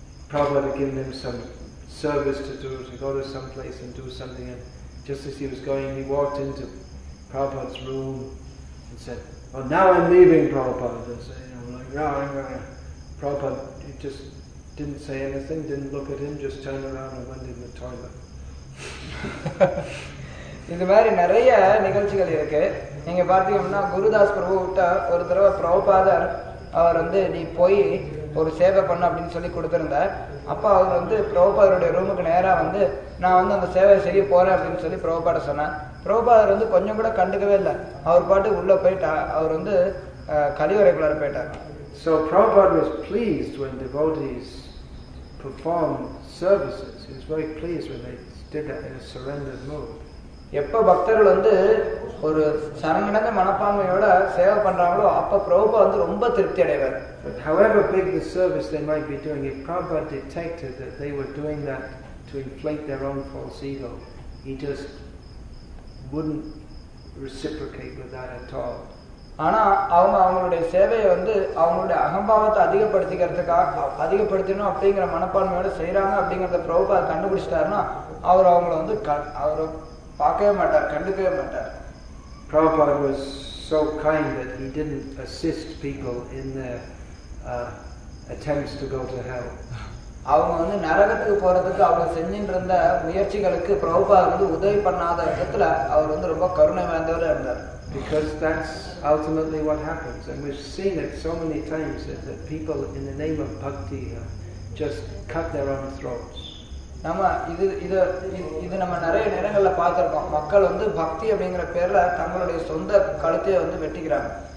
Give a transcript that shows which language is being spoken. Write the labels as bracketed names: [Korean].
[English] Service to do, to go to some place and do something, and just as he was going he walked into Prabhupada's room and said, oh, now I'm leaving Prabhupada. And so, you know, like, oh, I'm going. Prabhupada just didn't say anything, didn't look at him, just turned around and went in the toilet. [Tamil] இந்த மாதிரி நிறைய நிகழ்ச்சிகள் இருக்கு. நீங்க பார்த்தீங்கன்னா குருதாஸ் பிரபு கிட்ட ஒரு தடவை பிரபுபாதர் அவர் வந்து நீ போய் ஒரு சேவை பண்ண அப்படின்னு சொல்லி கொடுத்துருந்த, அப்போ அவர் வந்து பிரபுபாதருடைய ரூமுக்கு நேராக வந்து நான் வந்து அந்த சேவையை செய்ய போறேன் அப்படின்னு சொல்லி பிரபுபாட சொன்னேன். பிரபுபாதர் வந்து கொஞ்சம் கூட கண்டுக்கவே இல்லை, அவர் பாட்டு உள்ளே போயிட்டா அவர் வந்து கழிவறைக்குள்ளார போயிட்டார். [English] So Prabhupada was pleased when devotees perform services. He was very pleased when they did that in a surrendered mood. [Tamil] எப்போ பக்தர்கள் வந்து ஒரு சரணடைந்த மனப்பான்மையோட சேவை பண்றாங்களோ அப்ப பிரபுபா வந்து ரொம்ப திருப்தி அடைவார். [English] But however big the service they might be doing, if Prabhupada detected that they were doing that to inflate their own false ego, he just wouldn't reciprocate with that at all. [Tamil] ஆனா அவங்க அவங்களுடைய சேவையை வந்து அவங்களுடைய அகம்பாவத்தை அதிகப்படுத்திக்கிறதுக்காக அதிகப்படுத்தணும் அப்படிங்கிற மனப்பான்மையோட செய்யறாங்க அப்படிங்கறத பிரபுபா கண்டுபிடிச்சிட்டாருன்னா அவர் அவங்கள வந்து அவர் பார்க்கவே மாட்டார், கண்டுக்கவே மாட்டார். [English] Prabhupada was so kind that he didn't assist people in their attempts to go to hell. [Tamil] அவங்க வந்து நரகத்துக்கு போறதுக்கு அவங்க செஞ்சின்றிருந்த முயற்சிகளுக்கு பிரபுபா வந்து உதவி பண்ணாத விதத்துல அவர் வந்து ரொம்ப கருணை வாய்ந்தவர் இருந்தார். [English] Because that's ultimately what happens, and we've seen it so many times that people in the name of bhakti just cut their own throats. [Tamil] நாம இது இது இது நம்ம நிறைய நேரங்கள்ல பார்த்திருக்கோம். மக்கள் வந்து பக்தி அப்படிங்கிற பேர்ல தங்களுடைய சொந்த கழுத்தையே வந்து வெட்டிக்கிறாங்க.